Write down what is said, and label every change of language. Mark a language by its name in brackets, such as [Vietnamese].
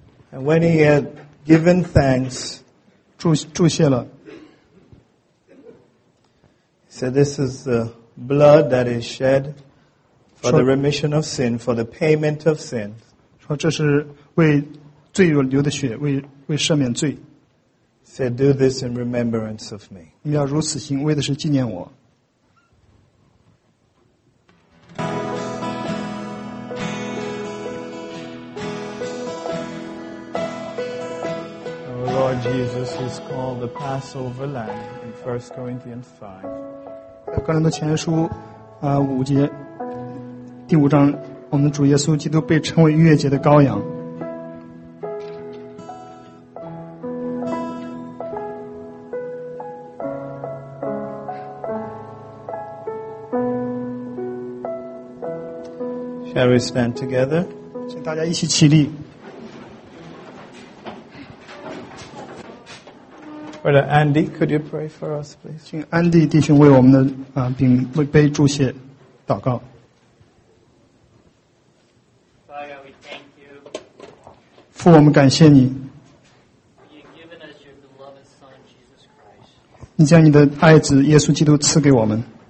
[English] And when he had given thanks, [Chinese] 祝谢了。 [English] So this is the blood that is shed for the remission of sin, for the payment of sin. [Chinese] 说这是为罪流的血，为赦免罪。 [English] Said, do this in remembrance of me. [Chinese] 你要如此行，为的是纪念我。 [English] Jesus is called the Passover Lamb in 1 Corinthians 5. [Chinese] 哥林多前书五节第五章，我们主耶稣基督被称为逾越节的羔羊。 [English] Shall we stand together? [Chinese] 请大家一起起立。 [English] Brother Andy, could you pray for us, please? [Chinese] 请安迪弟兄为我们的饼为杯祝谢祷告。 [English] Father, we thank you. [Chinese] 父，我们感谢你。 [English] You've given us your beloved Son, Jesus Christ. [Chinese] 你将你的爱子耶稣基督赐给我们。